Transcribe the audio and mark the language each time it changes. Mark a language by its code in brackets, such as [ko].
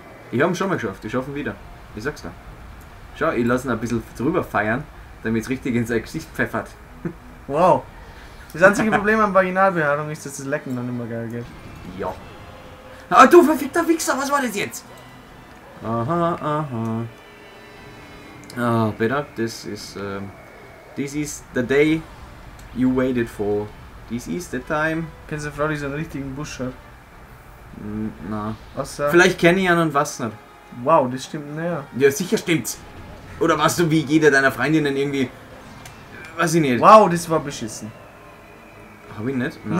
[de] Ich hab's schon mal geschafft. Ich schaffe ihn wieder. Ich sag's dir. Schau, ich lass ihn ein bisschen drüber feiern, damit es richtig in sein Gesicht pfeffert. Wow. Das einzige Problem an Vaginalbehaarung ist, dass das Lecken dann immer geil geht. Ja. Ah, du verfickter Wichser, was war das jetzt? Aha. [en] Ah, Peter, this is the day you waited for. This is the time. [de] Kennst du eine Frau, die so einen richtigen Busch hat? Na. Außer? Vielleicht kenne ich einen und was nicht. Wow, das stimmt, naja. Ja, sicher stimmt's. Oder warst du wie jeder deiner Freundinnen irgendwie. Weiß ich nicht. Wow, das war beschissen. Hab ich nicht?